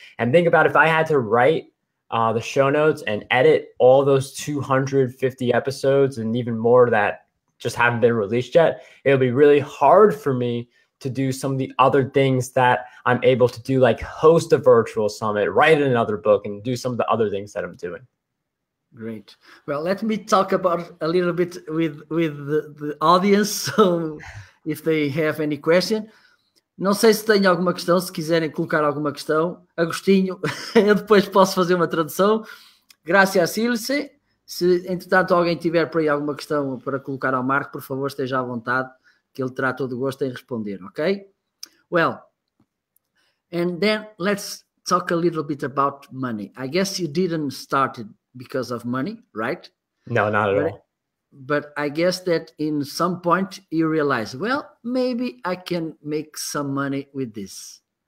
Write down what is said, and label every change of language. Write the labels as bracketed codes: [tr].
[en] And think about if I had to write the show notes and edit all those 250 episodes and even more that just haven't been released yet, it'll be really hard for me to do some of the other things that I'm able to do, like host a virtual summit, write another book, and do some of the other things that I'm doing. Great. Well, let me talk about a little bit with the audience, so if they have any question. [pt] Não sei se têm alguma questão, se quiserem colocar alguma questão. Agostinho, eu depois posso fazer uma tradução. Gracias, Silce. Se, entretanto, alguém tiver por aí alguma questão para colocar ao Marco, por favor, esteja à vontade, que ele terá todo o gosto em responder, ok? [en] Well, and then let's talk a little bit about money. I guess you didn't start it because of money, right? No, not at all. But I guess that in some point you realize, well, maybe I can make some money with this.